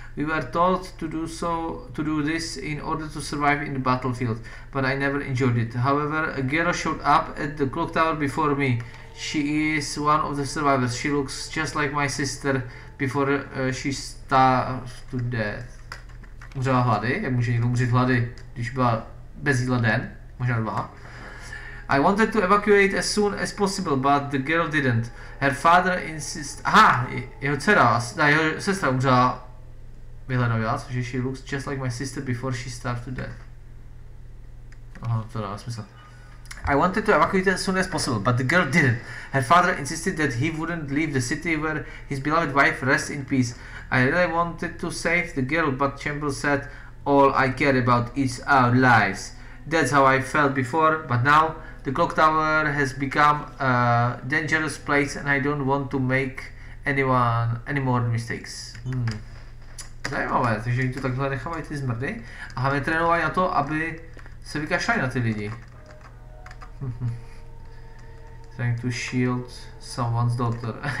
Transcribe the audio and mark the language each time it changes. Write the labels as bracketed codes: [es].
[en] We were told to do this in order to survive in the battlefield, but I never enjoyed it. However, a girl showed up at the clock tower before me. She is one of the survivors. She looks just like my sister before she starved to death. [cs] Umřela hlady? Jak může někdo umřít hlady, když byla bez jídla den? Možná dva. [en] I wanted to evacuate as soon as possible, but the girl didn't. Her father insists... [cs] Aha! Jeho dcera, ne, jeho sestra umřela vyhledově, což je [en] she looks just like my sister before she starved to death. [cs] Aha, to dává smysl. [en] I wanted to evacuate as soon as possible, but the girl didn't. Her father insisted that he wouldn't leave the city where his beloved wife rests in peace. I really wanted to save the girl, but Chamber said, all I care about is our lives. That's how I felt before, but now the clock tower has become a dangerous place and I don't want to make anyone any more mistakes. [cs] Zajímavé, takže jim to takhle nechávají ty zmrdy a hlavně trénovali na to, aby se vykašlali na ty lidi. [en] Trying to shield someone's daughter.